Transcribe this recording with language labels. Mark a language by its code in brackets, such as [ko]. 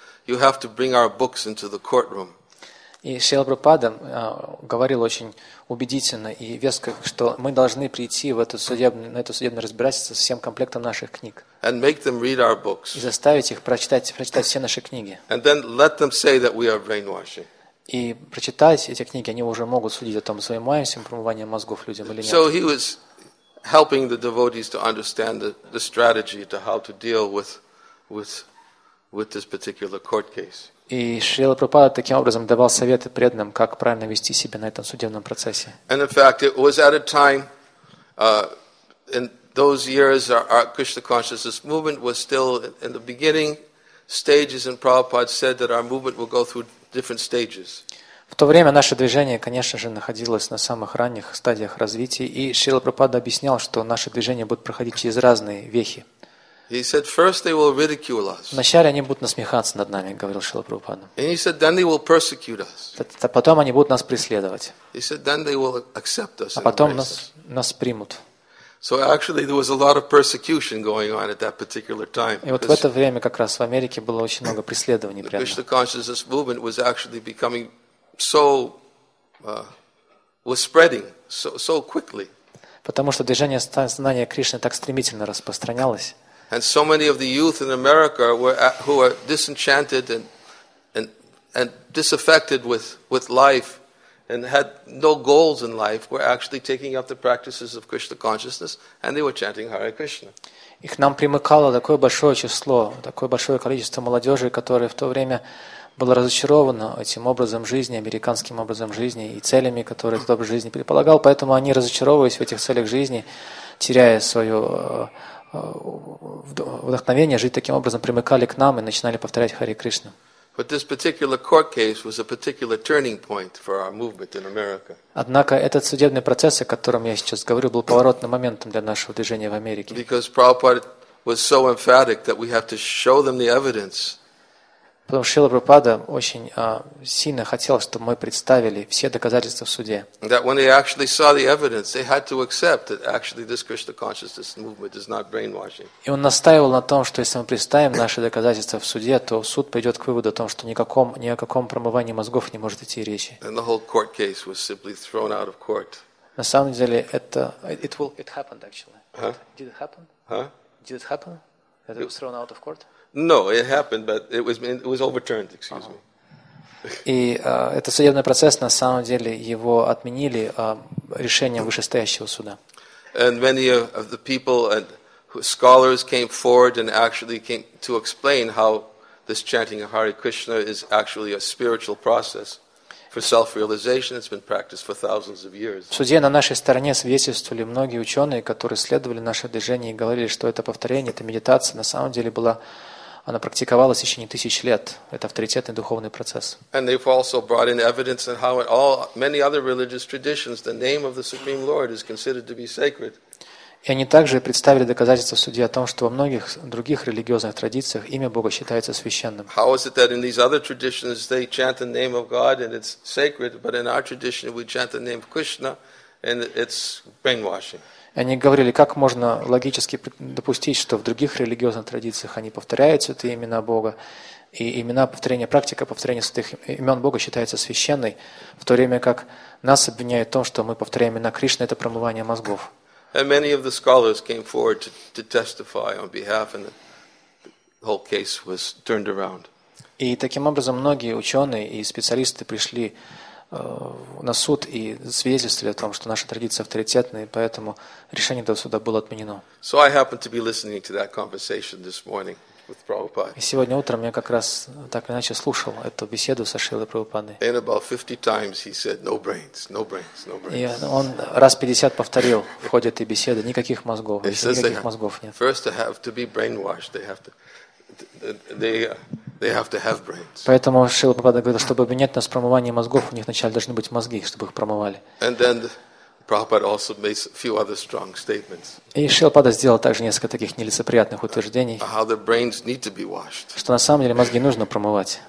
[en] You have to bring our books into the courtroom. [ru] И Шрила Прабхупада говорил очень убедительно и веско, что мы должны прийти в эту судебную, на эту судебное разбирательство со всем комплектом наших книг. [en] And make them read our books. [ru] И заставить их прочитать все наши книги. [en] And then let them say that we are brainwashing. [ru] И прочитать эти книги, они уже могут судить о том, занимаемся мы промыванием мозгов людям или нет. [en] So he was helping the devotees to understand the strategy to how to deal with this particular court case. [ru] И Шрила Прабхупада таким образом давал советы преданным, как правильно вести себя на этом судебном процессе. [en] And in fact, it was at a time in those years our Krishna consciousness movement was still in the beginning stages, and Prabhupada said that our movement will go through different stages. [ru] В то время наше движение, конечно же, находилось на самых ранних стадиях развития, и Шрила Прабхупада объяснял, что наше движение будет проходить через разные вехи. [en] He said, first they will ridicule us. [ru] Вначале они будут насмехаться над нами, говорил Шрила Прабхупада. [en] And he said, then they will persecute us. [ru] Потом они будут нас преследовать. [en] He said, then they will accept us. [ru] А потом нас примут. [en] So actually, there was a lot of persecution going on at that particular time. [ru] И вот в это время как раз в Америке было очень много преследований. [en] The Krishna consciousness movement was actually becoming so was spreading so quickly. [ru] Потому что движение сознания Кришны так стремительно распространялось. [en] And so many of the youth in America who are disenchanted and disaffected with life and had no goals in life were actually taking up the practices of Krishna consciousness and they were chanting Hare Krishna. [ru] И к нам примыкало такое большое число, такое большое количество молодежи, которое в то время было разочаровано этим образом жизни, американским образом жизни и целями, которые этот образ жизни предполагал, поэтому они разочаровывались в этих целях жизни, теряя свою вдохновение жить таким образом, примыкали к нам и начинали повторять Харе Кришна. [en] But this particular court case was a particular turning point for our movement in America. [ru] Однако этот судебный процесс, о котором я сейчас говорю, был поворотным моментом для нашего движения в Америке. [en] Because Prabhupada was so emphatic that we have to show them the evidence. [ru] Потому что Шрила Прабхупада очень сильно хотел, чтобы мы представили все доказательства в суде. [en] That when they actually saw the evidence, they had to accept that actually this Krishna consciousness movement is not brainwashing. [ru] И он настаивал на том, что если мы представим наши доказательства в суде, то суд придет к выводу о том, что ни о каком промывании мозгов не может идти речи. [en] And the whole court case was simply thrown out of court. [ru] На самом деле это [en] it happened actually. Huh? Did it happen? Huh? Did it happen? That it was thrown out of court? No, it happened, but it was overturned. Excuse me. [ru] И этот судебный процесс на самом деле его отменили решением вышестоящего суда. [en] And many of the people and scholars came forward and actually came to explain how this chanting of Hare Krishna is actually a spiritual process for self-realization. It's been practiced for thousands of years. [ru] В суде на нашей стороне свидетельствовали многие ученые, которые следовали наше движение и говорили, что это повторение, это медитация, на самом деле была. Она практиковалась еще не тысяч лет. Это авторитетный духовный процесс. [en] And they've also brought in evidence on how in all many other religious traditions the name of the Supreme Lord is considered to be sacred. [ru] И они также представили доказательства в суде о том, что во многих других религиозных традициях имя Бога считается священным. [en] How is it that in these other traditions they chant the name of God and it's sacred, but in our tradition we chant the name of Krishna and it's brainwashing? [ru] Они говорили, как можно логически допустить, что в других религиозных традициях они повторяют святые имена Бога, и имена повторения, практика повторения святых имен Бога считается священной, в то время как нас обвиняют в том, что мы повторяем имена Кришны, это промывание мозгов. [en] And many of the scholars came forward to testify on behalf, and the whole case was turned around. [ru] И таким образом многие ученые и специалисты пришли на суд и свидетельствовали о том, что наша традиция авторитетная, и поэтому решение этого суда было отменено. [en] So I happened to be listening to that conversation this morning with Prabhupada. [ru] И сегодня утром я как раз так или иначе слушал эту беседу со Шрилой Прабхупадой. [en] And about 50 times he said, no brains, no brains, no brains. [ru] И он раз 50 повторил в ходе этой беседы, никаких мозгов, никаких мозгов нет. [en] First they have to be brainwashed, they have to, they, They have to have brains. [ru] Поэтому Шрила Прабхупада говорит, чтобы обвинять нас в промывании мозгов, у них вначале должны быть мозги, чтобы их промывали. [en] And then Prabhupada also makes a few other strong statements. [ru] И Шрила Прабхупада сделал также несколько таких нелицеприятных утверждений. [en] How the brains need to be washed. [ru] Что на самом деле мозги нужно промывать.